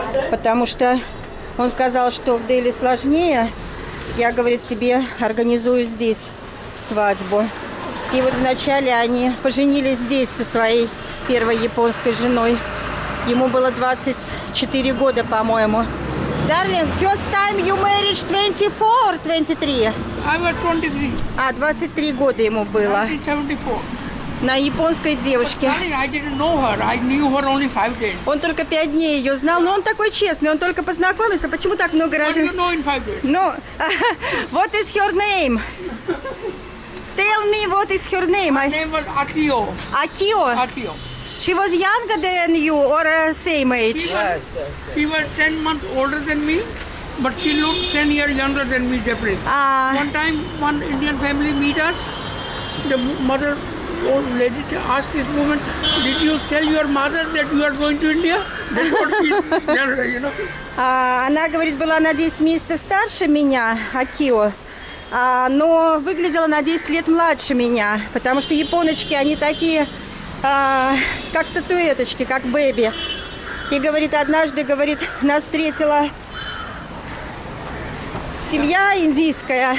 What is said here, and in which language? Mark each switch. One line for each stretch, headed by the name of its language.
Russian: Потому что он сказал, что в Дели сложнее. Я, говорит, тебе организую здесь свадьбу. И вот вначале они поженились здесь со своей первой японской женой. Ему было 24 года, по-моему.
English: Дарлинг, first time you married 24 or 23? I was 23.
Russian: А, 23 года ему было. 1974. На японской девушке.
English: Darling, I didn't know her. I knew her only 5 days.
Russian: Он только 5 дней ее знал, но он такой честный, он только познакомился. Почему так много раз?
English: What do you know in 5 days? Ну, what is her name? Tell me what is her name. Her name was Akio. Akio? Akio. She was younger than you or same age? She was 10 months older than me, but she looked 10 years younger than me, Jeffrey. One time, one Indian family meet us. The mother, old lady, asked this woman, did you tell your mother that you are going to India? That's what she said, you know.
Russian: Она говорит, была на 10 месяцев старше меня, Акио. Но выглядела на 10 лет младше меня, потому что японочки, они такие... как статуэточки, как бэби. И говорит, однажды, говорит, нас встретила семья индийская.